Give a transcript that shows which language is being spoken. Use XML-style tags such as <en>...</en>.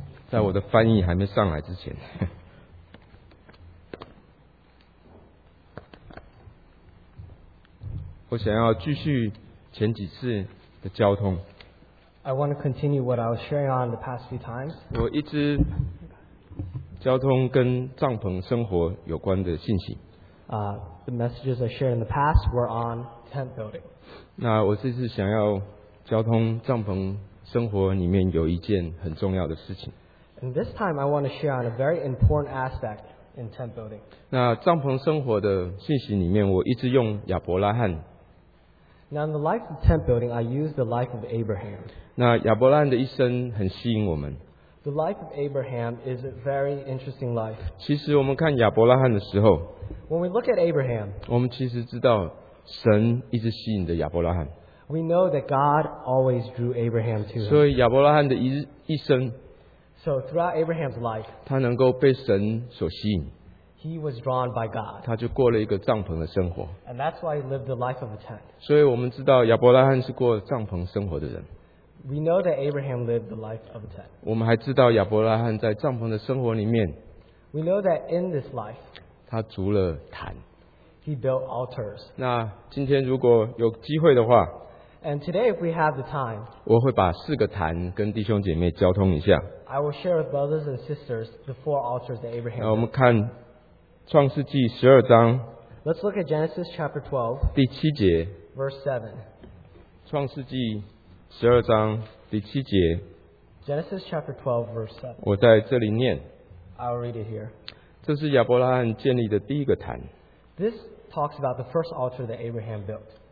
<zh>在我的翻译还没上来之前我想要继续前几次的交通。</zh> <en>I want to continue what I was sharing on the past few times.</en> <zh>我一直交通跟帐篷生活有关的信息。</zh> <en>The messages I shared in the past were on tent building.</en> <zh>那我这次想要交通帐篷生活里面有一件很重要的事情。</zh> <en>And this time I want to share on a very important aspect. In tent building.</en> <zh>那帐篷生活的信息里面，我一直用亚伯拉罕。</zh> <en>Now in the life of tent building, I use the life of Abraham.</en> <zh>那亚伯拉罕的一生很吸引我们。</zh> <en>The life of Abraham is a very interesting life.</en> <zh>其实我们看亚伯拉罕的时候</zh> <en>，When we look at Abraham,</en> <zh>我们其实知道神一直吸引着亚伯拉罕。</zh> <en>We know that God always drew Abraham to him.</en> <zh>所以亚伯拉罕的一生。</zh> <en>So throughout Abraham's life,</en> <zh>他能够被神所吸引,</zh> <en>he was drawn by God.</en> <zh>他就过了一个帐篷的生活,</zh> <en>and that's why he lived the life of a tent.</en> <zh>所以我们知道亚伯拉罕是过帐篷生活的人,</zh> <en>we know that Abraham lived the life of a tent.</en> <zh>我们还知道亚伯拉罕在帐篷的生活里面,</zh> <en>we know that in this life,</en> <zh>他筑了坛,</zh> <en>he built altars.</en> <zh>那今天如果有机会的话,</zh> <en>And today, if we have the time,</en> <zh>我会把四个坛跟弟兄姐妹交通一下。</zh> <en>I will share with brothers and sisters the four altars that Abraham built.</en> <zh>那我们看创世纪十二章。</zh> <en>Let's look at Genesis chapter 12.</en> <zh>第七节。</zh> <en>Verse 7.</en> <zh>创世纪十二章第七节。</zh> <en>Genesis chapter 12, verse 7.</en> <zh>我在这里念。</zh> <en>I'll read it here.</en> <zh>这是亚伯拉罕建立的第一个坛。</zh> <en>This talks about the first altar that Abraham built.</en>